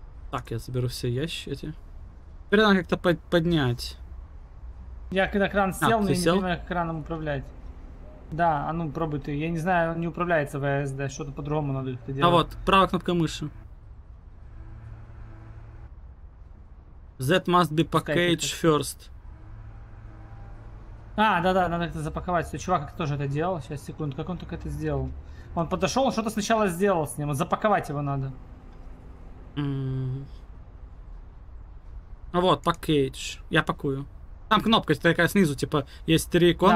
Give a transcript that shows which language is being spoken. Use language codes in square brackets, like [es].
[ru] Так, я заберу все ящики эти. Теперь надо как-то поднять. Я когда кран сел, но я сел? Не понимаю, как краном управлять. Да, а ну пробуй ты. Я не знаю, он не управляется в ASD. Что-то по-другому надо это делать. А вот, правая кнопка мыши. [en] Z must be packaged first. [ru] А, да-да, надо это запаковать. Все, чувак тоже это делал. Сейчас, секунду, как он только это сделал? Он подошел, что-то сначала сделал с ним. Запаковать его надо. А вот, package. Я пакую. Там кнопка такая снизу, типа, есть три иконки.